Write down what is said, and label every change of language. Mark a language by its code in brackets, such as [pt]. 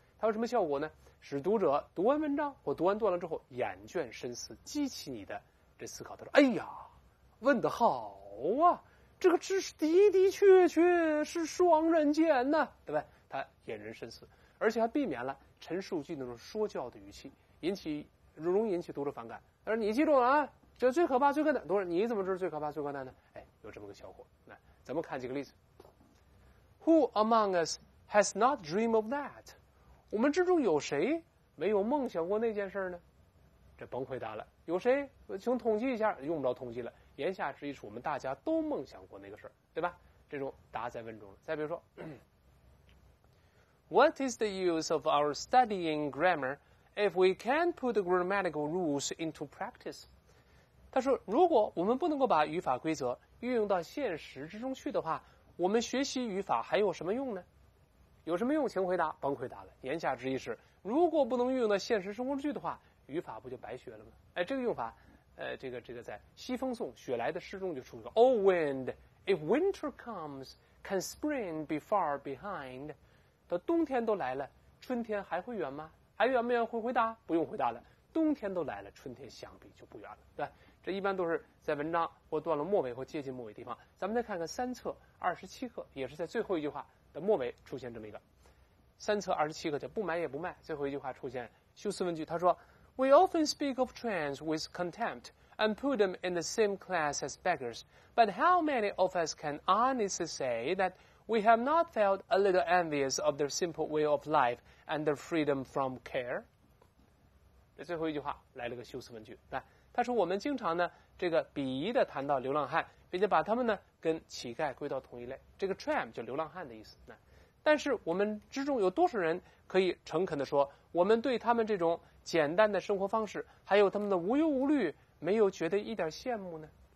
[zh] 它有什么效果呢？使读者读完文章或读完段落之后眼倦深思，激起你的这思考。他说哎呀，问得好啊，这个知识的的确确是双刃剑呢，对吧？他引人深思，而且还避免了陈述句那种说教的语气，容易引起读者反感。他说你记住了啊，这最可怕最困难，读者你怎么知道最可怕最困难呢？哎，有这么个效果。来，咱们看几个例子。 [en] Who among us has not dreamed of that？ [zh] 我们之中有谁没有梦想过那件事呢？这甭回答了，有谁请统计一下，用不着统计了，言下之意是我们大家都梦想过那个事儿，对吧？这种答在问中了。再比如说 [en] What is the use of our studying grammar if we can't put the grammatical rules into practice？ [zh] 他说如果我们不能够把语法规则运用到现实之中去的话，我们学习语法还有什么用呢？有什么用请回答，甭回答了。言下之意是如果不能运用到现实生活中去的话，语法不就白学了吗？哎，这个用法这个在西风颂雪莱的诗中就出了个 [en] Oh wind, if winter comes, can spring be far behind？ [zh] 到冬天都来了，春天还会远吗？还远没远？会回答，不用回答了，冬天都来了，春天想必就不远了，对吧？这一般都是在文章或段落末尾或接近末尾的地方。咱们再看看三册27课，也是在最后一句话的末尾出现这么一个，三册27课叫不买也不卖，最后一句话出现修辞问句，他说 [en] We often speak of trains with contempt and put them in the same class as beggars. But how many of us can honestly say that we have not felt a little envious of their simple way of life and their freedom from care? [zh] 这最后一句话来了个修辞问句。他说我们经常呢这个鄙夷的谈到流浪汉，并且把他们呢跟乞丐归到同一类。这个 tram 就流浪汉的意思。但是我们之中有多少人可以诚恳地说，我们对他们这种简单的生活方式还有他们的无忧无虑没有觉得一点羡慕呢？